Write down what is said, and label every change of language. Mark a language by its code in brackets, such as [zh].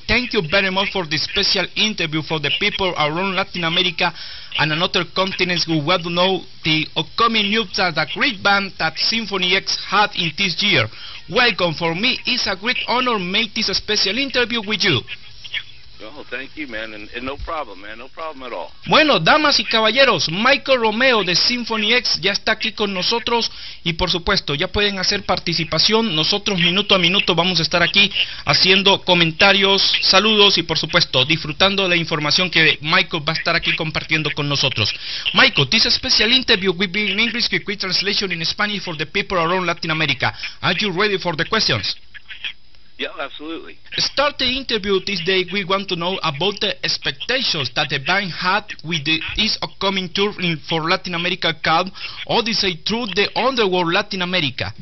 [en] Thank you very much for this special interview for the people around Latin America and another continent who want to know the upcoming news of the great band that Symphony X had in this year. Welcome. For me, it's a great honor to make this special interview with you. Oh, thank you, man, and no problem, man, no problem at all. [es] Bueno, damas y caballeros, Michael Romeo de Symphony X ya está aquí con nosotros y, por supuesto, ya pueden hacer participación. Nosotros, minuto a minuto, vamos a estar aquí haciendo comentarios, saludos y, por supuesto, disfrutando de la información que Michael va a estar aquí compartiendo con nosotros. [en] Michael, this special interview will be in English with quick translation in Spanish for the people around Latin America. Are you ready for the questions? Yeah, absolutely. Start the interview this day. We want to know about the expectations that the band had with this upcoming tour for Latin America called Oddysey Through the Underworld Latin America.